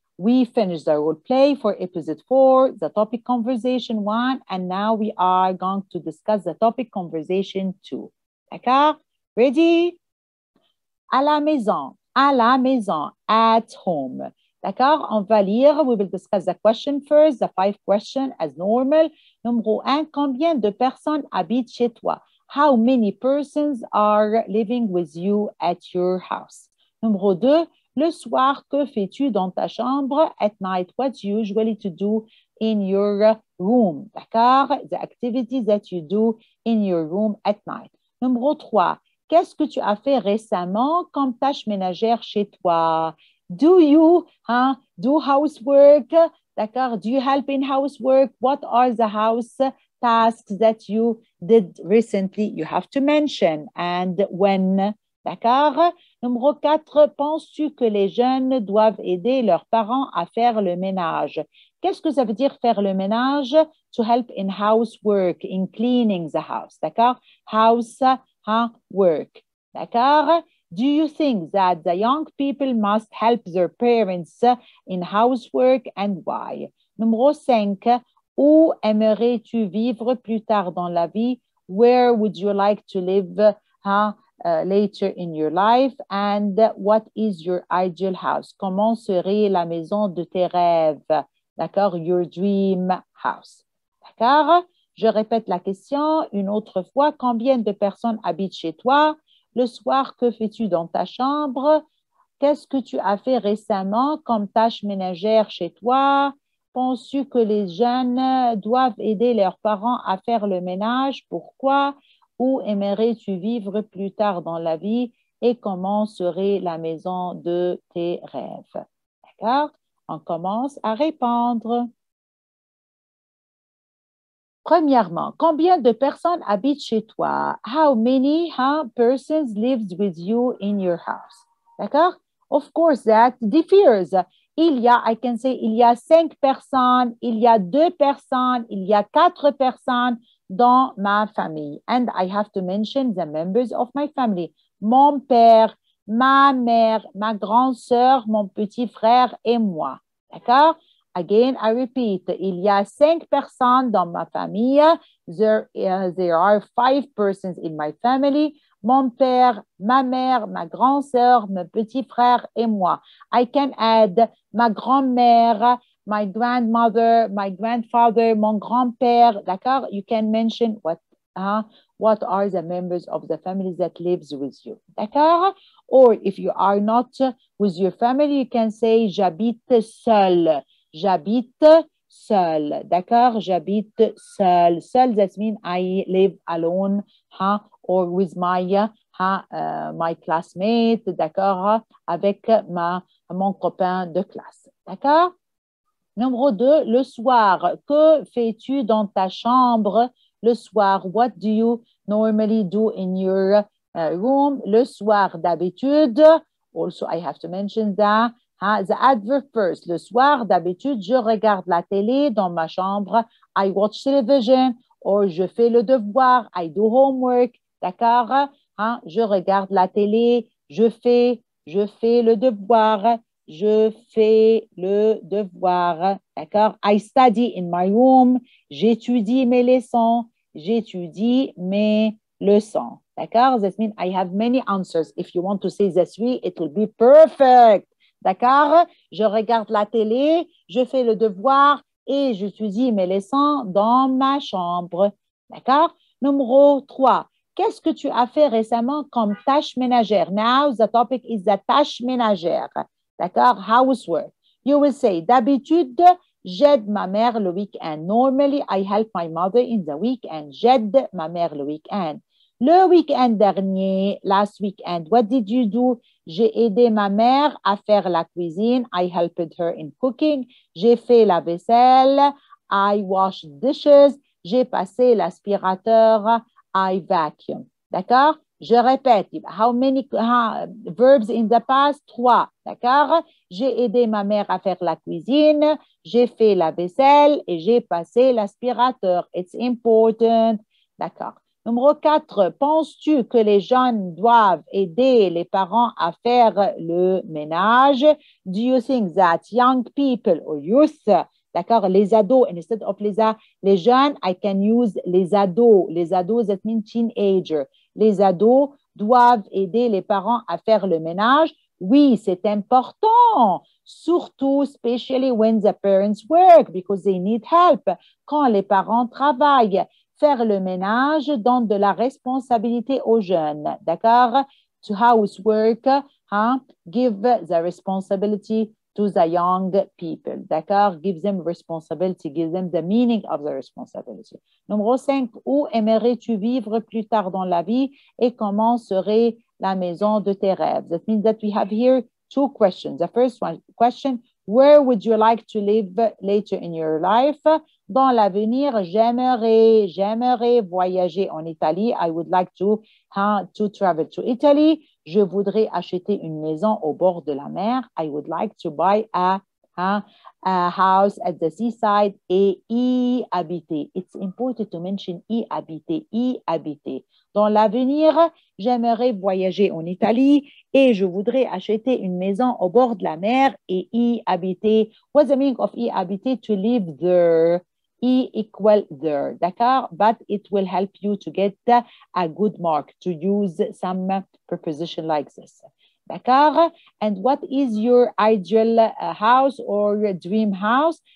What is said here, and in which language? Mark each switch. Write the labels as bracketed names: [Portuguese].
[English] We finished the role play for episode four, the topic conversation one, and now we are going to discuss the topic conversation two. [French] D'accord? Ready? À la maison, [English] at home. [French] D'accord? On va lire. [English] We will discuss the question first, the five questions as normal. [French] Numéro un, combien de personnes habitent chez toi? [English] How many persons are living with you at your house? [French] Numéro deux, le soir, que fais-tu dans ta chambre? [English] At night, what do you usually to do in your room? D'accord? The activities that you do in your room at night. [French] Numéro trois, qu'est-ce que tu as fait récemment comme tâche ménagère chez toi? [English] Do you do housework? D'accord? Do you help in housework? What are the house tasks that you did recently? You have to mention and when. D'accord? [French] Numéro 4, penses-tu que les jeunes doivent aider leurs parents à faire le ménage? Qu'est-ce que ça veut dire faire le ménage? [English] To help in housework, in cleaning the house. D'accord? House, work. D'accord? Do you think that the young people must help their parents in housework and why? [French] Numéro 5, où aimerais-tu vivre plus tard dans la vie? [English] Where would you like to live later in your life? And what is your ideal house? [French] Comment serait la maison de tes rêves? [English] D'accord? Your dream house. [French] D'accord? Je répète la question une autre fois. Combien de personnes habitent chez toi? Le soir, que fais-tu dans ta chambre? Qu'est-ce que tu as fait récemment comme tâche ménagère chez toi? Penses-tu que les jeunes doivent aider leurs parents à faire le ménage? Pourquoi? Où aimerais-tu vivre plus tard dans la vie? Et comment serait la maison de tes rêves? D'accord? On commence à répondre. Premièrement, combien de personnes habitent chez toi? [English] How persons lives with you in your house? D'accord? Of course, that differs. [French] Il y a, [English] I can say, [French] il y a cinq personnes, il y a deux personnes, il y a quatre personnes dans ma famille. [English] And I have to mention the members of my family. [French] Mon père, ma mère, ma grand-sœur, mon petit frère et moi. D'accord? [English] Again, I repeat, [French] il y a cinq personnes dans ma famille. [English] There are five persons in my family. [French] Mon père, ma mère, ma grand-sœur, mon petit frère et moi. [English] I can add [French] ma grand-mère, [English] my grandmother, my grandfather, [French] mon grand-père. [English] D'accord? You can mention what are the members of the family that lives with you. D'accord? Or if you are not with your family, you can say [French] j'habite seul. J'habite seul, d'accord? J'habite seul. [English] Seul, that means I live alone, or with my classmate, d'accord? [French] Avec mon copain de classe, d'accord? Numéro 2, le soir, que fais-tu dans ta chambre le soir? [English] What do you normally do in your room? [French] Le soir, d'habitude, [English] also I have to mention that. The adverb first. [French] Le soir, d'habitude, je regarde la télé dans ma chambre. [English] I watch television. Or [French] je fais le devoir. [English] I do homework. D'accord? [French] Je regarde la télé. Je fais le devoir. Je fais le devoir. D'accord? [English] I study in my room. [French] J'étudie mes leçons. J'étudie mes leçons. D'accord? [English] That means I have many answers. If you want to say the three, it will be perfect. [French] D'accord? Je regarde la télé, je fais le devoir et j'étudie mes leçons dans ma chambre. D'accord? Numéro 3. Qu'est-ce que tu as fait récemment comme tâche ménagère? [English] Now, the topic is the tâche ménagère. D'accord? Housework. You will say, [French] d'habitude, j'aide ma mère le week-end. [English] Normally, I help my mother in the week-end. [French] J'aide ma mère le week-end. Le week-end dernier, [English] last week-end, what did you do? [French] J'ai aidé ma mère à faire la cuisine. [English] I helped her in cooking. [French] J'ai fait la vaisselle. [English] I washed dishes. [French] J'ai passé l'aspirateur. [English] I vacuum. [French] D'accord? Je répète. [English] How verbs in the past? Trois. D'accord? [French] J'ai aidé ma mère à faire la cuisine. J'ai fait la vaisselle et j'ai passé l'aspirateur. [English] It's important. [French] D'accord? Numéro 4, penses-tu que les jeunes doivent aider les parents à faire le ménage? [English] Do you think that young people or youth, d'accord, les ados, instead of les jeunes, I can use les ados. Les ados, that means teenager. [French] Les ados doivent aider les parents à faire le ménage? Oui, c'est important. [English] Surtout, especially when the parents work, because they need help. [French] Quand les parents travaillent. Faire le ménage donne de la responsabilité aux jeunes, d'accord? [English] To housework, give the responsibility to the young people, d'accord? Give them responsibility, give them the meaning of the responsibility. [French] Numéro 5, où aimerais-tu vivre plus tard dans la vie et comment serait la maison de tes rêves? [English] That means that we have here two questions. The first one question, where would you like to live later in your life? [French] Dans l'avenir, j'aimerais voyager en Italie. [English] I would like to travel to Italy. [French] Je voudrais acheter une maison au bord de la mer. [English] I would like to buy a house at the seaside [French] et y habiter. [English] It's important to mention y habiter. [French] Dans l'avenir, j'aimerais voyager en Italie et je voudrais acheter une maison au bord de la mer et y habiter. [English] What's the meaning of y habiter? To live there. E equal there, d'accord? But it will help you to get a good mark to use some preposition like this, d'accord? And what is your ideal house or dream house?